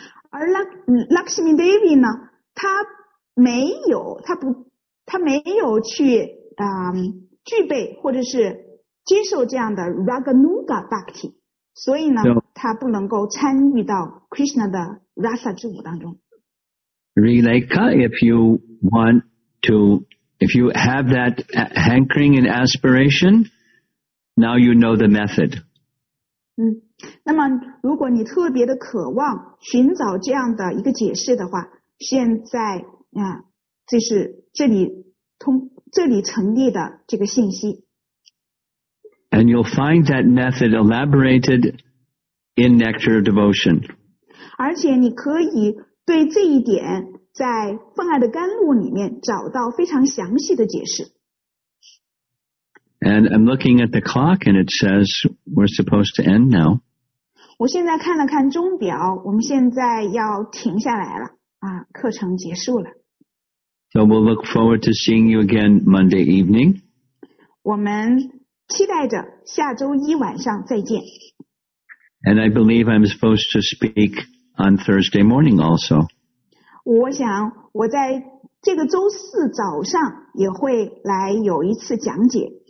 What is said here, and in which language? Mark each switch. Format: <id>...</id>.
<zh>而 Lakshmi Devi 呢，她没有去具备或者是接受这样的 Raganuga Bhakti, 所以呢他不能够参与到 Krishna 的 Rasa 之舞当中。</zh> <en>Rilekha, if you have that hankering and aspiration, now you know the method.</en> <zh>嗯，那么如果你特别的渴望寻找这样的一个解释的话，现在啊，这是这里通这里成立的这个信息。</zh> <en>And you'll find that method elaborated in Nectar of Devotion.</en> <zh>而且你可以对这一点在奉爱的甘露里面找到非常详细的解释。</zh> <en>And I'm looking at the clock and it says we're supposed to end now.</en> <zh>我现在看了看钟表，我们现在要停下来了，啊，课程结束了。</zh> <en>So we'll look forward to seeing you again Monday evening.</en> <zh>我们期待着下周一晚上再见。</zh> <en>And I believe I'm supposed to speak on Thursday morning also.</en> <zh>我想我在这个周四早上也会来有一次讲解。</zh>